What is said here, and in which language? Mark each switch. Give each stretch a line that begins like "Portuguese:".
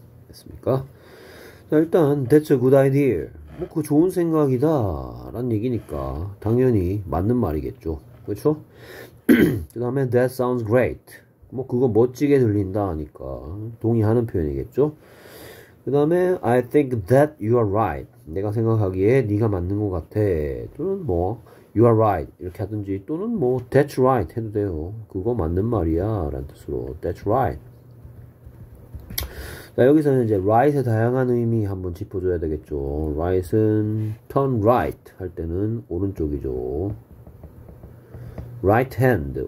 Korean: 됐습니까? 자, 일단,
English: That's a good idea.
Korean: 뭐, 그 좋은 생각이다. 라는 얘기니까, 당연히 맞는 말이겠죠. 그렇죠? 그 다음에,
English: That sounds great.
Korean: 뭐, 그거 멋지게 들린다 하니까, 동의하는 표현이겠죠?
English: 그 다음에, I think that you are right.
Korean: 내가 생각하기에 네가 맞는 것 같아. 또는 뭐,
English: you are right.
Korean: 이렇게 하든지, 또는 뭐,
English: that's right.
Korean: 해도 돼요. 그거 맞는 말이야. 라는 뜻으로.
English: That's right.
Korean: 자, 여기서는 이제 right의 다양한 의미 한번 짚어줘야 되겠죠. right은 turn right. 할 때는 오른쪽이죠. right hand.